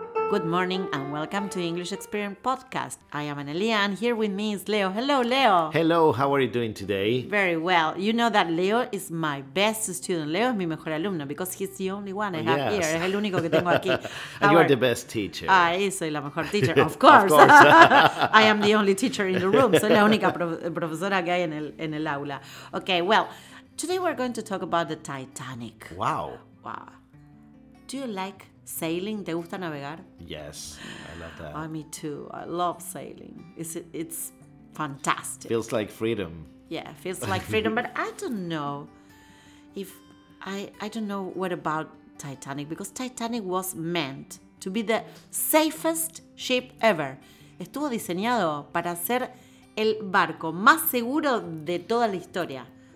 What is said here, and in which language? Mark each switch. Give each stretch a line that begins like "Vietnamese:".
English: Good morning and welcome to English Experience Podcast. I am Analia and here with me is Leo. Hello, Leo. Hello, how are you doing today? Very well. You know that Leo is my best student.
Spanish: Leo es mi mejor alumno
English: because he's the only one I have here.
Spanish: Es el único que tengo aquí.
English: And you're the best teacher.
Spanish: Ahí soy la mejor teacher,
English: of course. Of course. I am the only teacher in the room.
Spanish: Soy la única profesora que hay en el aula.
English: Okay, well, today we're going to talk about the Titanic. Wow. Wow. Do you like sailing?
Spanish: ¿Te gusta navegar?
English: Yes, I love that. Oh, me too. I love sailing. It's fantastic. Feels like freedom. Yeah, feels like freedom. But I don't know if... I don't know what about Titanic. Because Titanic was meant to be the safest ship ever.
Spanish: Estuvo diseñado para ser el barco más seguro de toda la historia.